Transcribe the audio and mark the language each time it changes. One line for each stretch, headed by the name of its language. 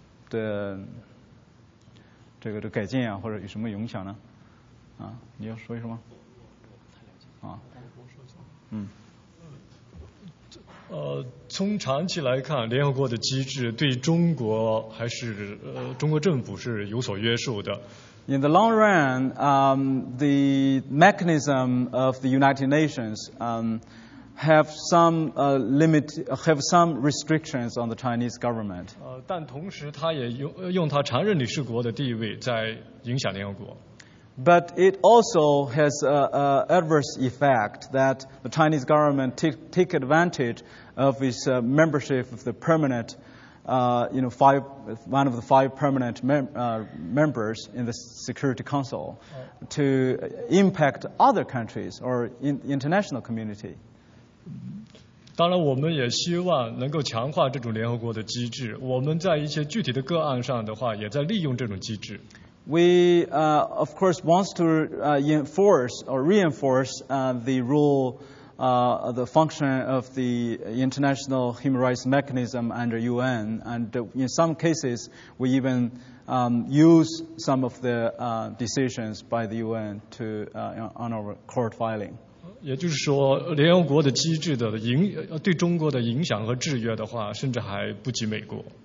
Chinese: 的这个改进啊，或者有什么影响呢？啊，你要说一说吗？啊，从长期来看，联合国的机制对中国还是中国政府是有所约束的。
English: In the long run, the mechanism of the United Nations have some restrictions on the Chinese government.
Chinese: 但同时它也用它常任理事国的地位在影响联合国。
English: But it also has an adverse effect that the Chinese government take advantage of its membership of the permanent, one of the five permanent members in the Security Council to impact other countries or international community.
Chinese: 当然我们也希望能够强化这种联合国的机制，我们在一些具体的个案上的话也在利用这种机制。
English: We, of course, want to enforce or reinforce the rule, the function of the international human rights mechanism under UN. And in some cases, we even use some of the decisions by the UN to on our court filing.
Chinese: 也就是说，联合国的机制的影对中国的影响和制约的话，甚至还不及美国。